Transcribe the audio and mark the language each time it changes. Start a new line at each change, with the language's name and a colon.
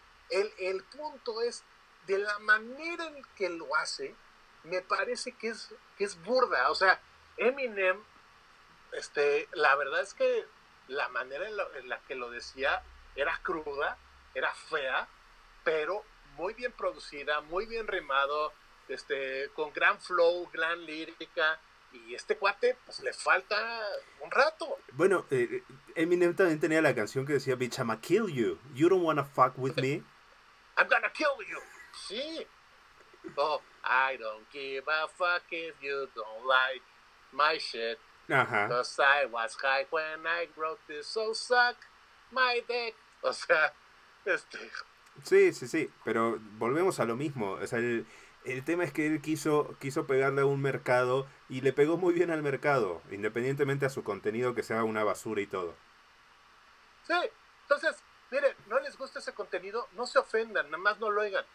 Spanish: El punto es, de la manera en que lo hace, me parece que es burda. O sea, Eminem, la verdad es que la manera en la que lo decía era cruda, era fea, pero muy bien producida, muy bien rimado, con gran flow, gran lírica, y este cuate, pues le falta un rato. Bueno, Eminem también tenía la canción que decía,
English: Bitch, I'ma kill you. You don't wanna fuck with me. Gonna kill you.
Spanish: Sí.
English: Oh, I don't give a fuck if you don't like my shit.
Spanish: Ajá.
English: Cause I was high when I wrote this, so suck my dick.
Spanish: O sea, Sí, pero volvemos a lo mismo. O sea, El tema es que él quiso pegarle a un mercado y le pegó muy bien al mercado, independientemente a su contenido que sea una basura y todo. Sí, entonces, miren, no les gusta ese contenido, no se ofendan, nada más no lo oigan.